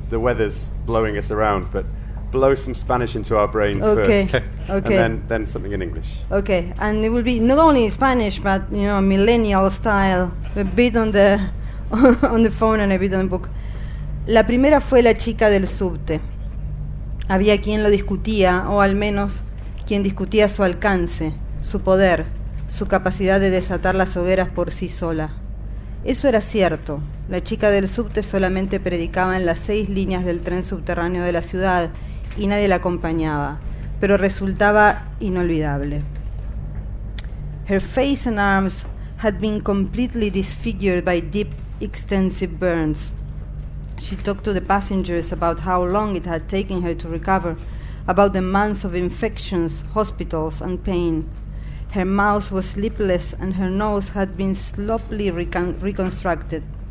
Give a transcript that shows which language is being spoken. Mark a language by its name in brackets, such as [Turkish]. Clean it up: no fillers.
[English] The weather's blowing us around, but blow some Spanish into our brains okay. first. Okay. And then something in English. Okay. And it will be not only Spanish, but, you know, millennial style. A bit on the on the phone and a bit on the book. [Spanish] La primera fue la chica del subte. Había quien lo discutía, o al menos quien discutía su alcance, su poder, su capacidad de desatar las hogueras por sí sola. Eso era cierto. La chica del subte solamente predicaba en las 6 líneas del tren subterráneo de la ciudad y nadie la acompañaba, pero resultaba inolvidable. [English] Her face and arms had been completely disfigured by deep, extensive burns. She talked to the passengers about how long it had taken her to recover, about the months of infections, hospitals, and pain. Her mouth was lipless and her nose had been sloppily reconstructed.